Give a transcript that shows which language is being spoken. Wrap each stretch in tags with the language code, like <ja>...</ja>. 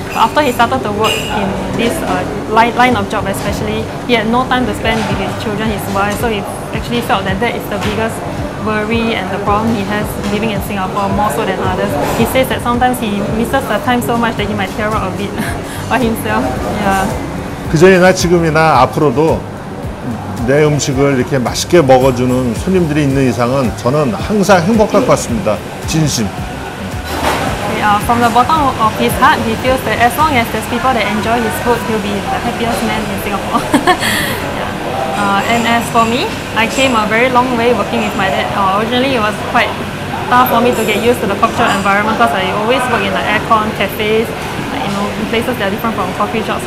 <en>But after he started to work in this line of job especially, he had no time to spend with his children, his wife, so he actually felt that that is the biggest worry and the problem he has living in Singapore more so than others. He says that sometimes he misses the time so much that he might tear out a bit by himself. Yeah.</en> <ko>그전이나 지금이나 앞으로도 내 음식을 이렇게 맛있게 먹어주는 손님들이 있는 이상은 저는 항상 행복할 것 같습니다. 진심.</ko> <en>From the bottom of his heart, he feels that as long as there's people that enjoy his food, he'll be the happiest man in Singapore. And as for me, I came a very long way working with my dad. Originally, it was quite tough for me to get used to the cultural environment because I always work in like aircon cafes, like, you know, in places that are different from coffee shops.</en>